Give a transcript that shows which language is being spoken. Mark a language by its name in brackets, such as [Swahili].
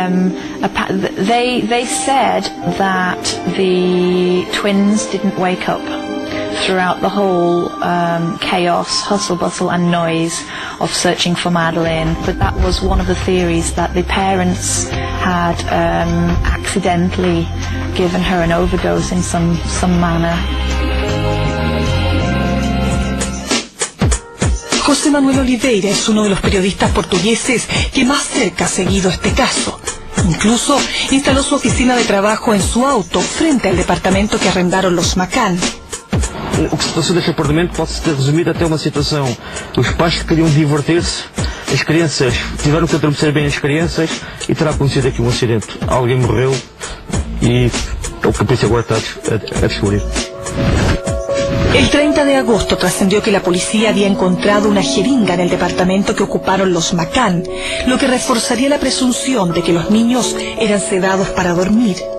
[English] They said that the twins didn't wake up throughout the whole chaos, hustle bustle and noise of searching for Madeleine. But that was one of the theories, that the parents had accidentally given her an overdose in some manner. [Spanish] José Manuel Oliveira es uno de los periodistas portugueses que más cerca ha seguido este caso. Incluso instaló su oficina de trabajo en su auto frente al departamento que arrendaron los McCann. [Portuguese] O que se passou neste apartamento pode ser resumido até uma situação. Os pais queriam divertir-se, as crianças tiveram que adormecer bem as crianças e terá acontecido aqui um acidente. Alguém morreu e o que a polícia agora está a descobrir. [Spanish] El 30 de agosto trascendió que la policía había encontrado una jeringa en el departamento que ocuparon los McCann, lo que reforzaría la presunción de que los niños eran sedados para dormir.